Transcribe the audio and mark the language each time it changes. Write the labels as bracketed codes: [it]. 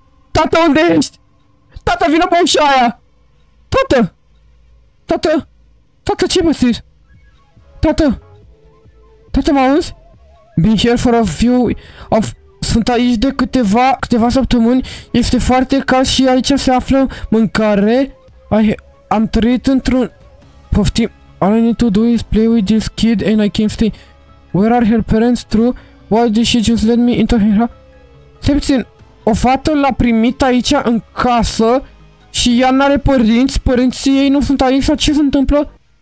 [ro] Tată, unde ești? Tată, vină pe ușa aia! Tată! Tată! Tată, ce mă simți? Tată! Tată, mă auzi? [en] Been here for a few... Of... [ro] Sunt aici de câteva săptămâni. Este foarte cald și aici se află mâncare. Am trăit într-un... Poftim... [en] All I need to do is play with this kid and I can stay... Where are her parents through? Why did she just let me into her... [ro] Stai puțin, o fată l-a primit aici în casă și ea n-are părinți, părinții ei nu sunt aici, sau ce se întâmplă?